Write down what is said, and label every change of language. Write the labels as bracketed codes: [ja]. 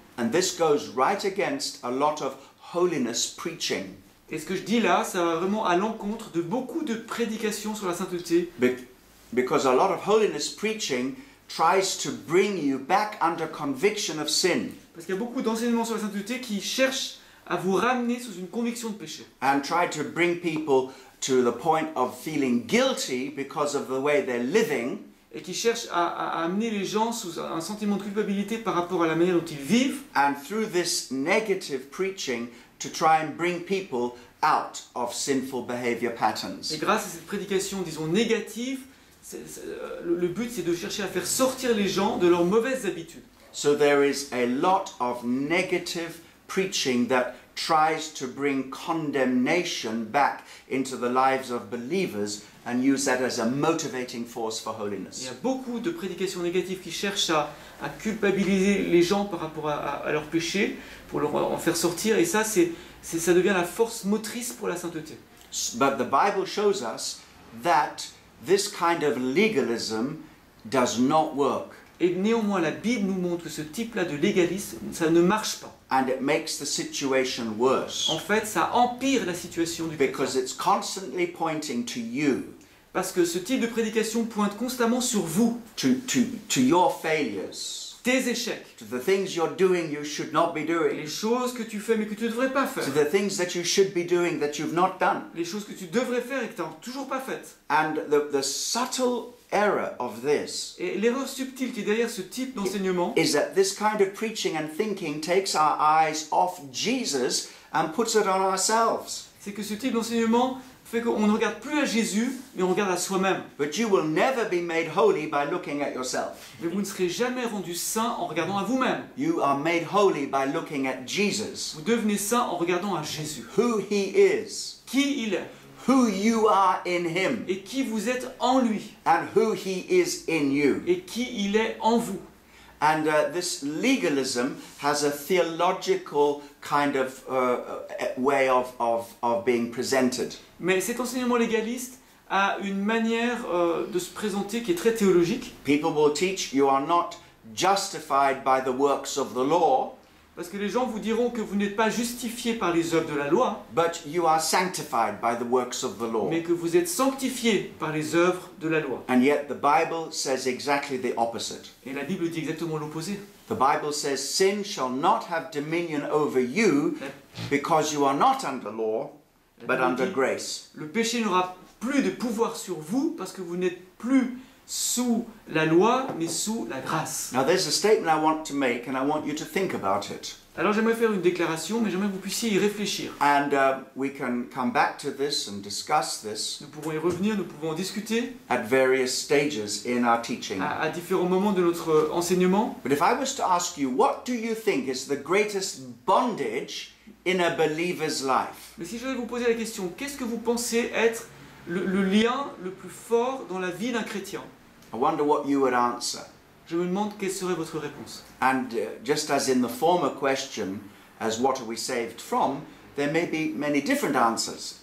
[en] And this goes right against a lot of holiness preaching. [fr] Et ce que je dis là, ça va vraiment à l'encontre de beaucoup de prédications sur la sainteté. [en] Because a lot of holiness preaching tries to bring you back under conviction of sin. [fr] Parce qu'il y a beaucoup d'enseignements sur la sainteté qui cherchent à vous ramener sous une conviction de péché. [en] And try to bring people to the point of feeling guilty because of the way they're living, [fr] et qui cherche à amener les gens sous un sentiment de culpabilité par rapport à la manière dont ils vivent, [en] and through this negative preaching to try and bring people out of sinful behavior patterns. [fr] Et grâce à cette prédication disons négative, le but c'est de chercher à faire sortir les gens de leurs mauvaises habitudes. [en] So there is a lot of negative preaching that tries to bring condemnation back into the lives of believers and use that as a motivating force for holiness. [fr] Il y a beaucoup de prédications négatives qui cherchent à culpabiliser les gens par rapport à leur péché pour leur en faire sortir, et ça c'est ça devient la force motrice pour la sainteté. [en] But the Bible shows us that this kind of legalism does not work. [fr] Et néanmoins, la Bible nous montre que ce type-là de légalisme, ça ne marche pas. [en] And it makes the situation worse. [fr] En fait, ça empire la situation du chrétien. [en] Because it's constantly pointing to you. [fr] Parce que ce type de prédication pointe constamment sur vous. [en] To your failures. [fr] Tes échecs. [en] To the things you're doing you should not be doing. [fr] Les choses que tu fais mais que tu ne devrais pas faire. [en] To the things that you should be doing that you've not done. [fr] Les choses que tu devrais faire et que tu n'as toujours pas faites. [en] And the subtle error of this. [fr] Et l'erreur subtile qui est derrière ce type d'enseignement [en] is that this kind of preaching and thinking takes our eyes off Jesus and puts it on ourselves. [fr] C'est que ce type d'enseignement fait qu'on ne regarde plus à Jésus mais on regarde à soi-même. [en] But you will never be made holy by looking at yourself. [fr] Mais vous ne serez jamais rendu saint en regardant à vous-même. [en] You are made holy by looking at Jesus. [fr] Vous devenez saint en regardant à Jésus. [en] Who he is. [fr] Qui il est. [en] Who you are in him. [fr] Et qui vous êtes en lui. [en] And who he is in you. [fr] Et qui il est en vous. [en] And this legalism has a theological kind of way of being presented. [fr] Mais cet enseignement légaliste a une manière de se présenter qui est très théologique. [en] People will teach you are not justified by the works of the law. [fr] Parce que les gens vous diront que vous n'êtes pas justifié par les œuvres de la loi. [en] But you are sanctified by the works of the law. [fr] Mais que vous êtes sanctifié par les œuvres de la loi. [en] And yet the Bible says exactly the opposite. [fr] Et la Bible dit exactement l'opposé. [en] The Bible says sin shall not have dominion over you because you are not under law but under grace. [fr] Le péché n'aura plus de pouvoir sur vous parce que vous n'êtes plus sous la loi mais sous la grâce. [en] Now there's a statement I want to make and I want you to think about it. [fr] Alors j'aimerais faire une déclaration mais j'aimerais que vous puissiez y réfléchir. [en] And we can come back to this and discuss this. [fr] Nous pourrons y revenir, nous pouvons en discuter. [en] At various stages in our teaching. [fr] À différents moments de notre enseignement. [en] But if I was to ask you, what do you think is the greatest bondage in a believer's life? [fr] Mais si je vais vous poser la question, qu'est-ce que vous pensez être le lien le plus fort dans la vie d'un chrétien? [en] I wonder what you would answer. [fr] Je me demande quelle serait votre réponse. [en] And just as in the former question, as what are we saved from, there may be many different answers.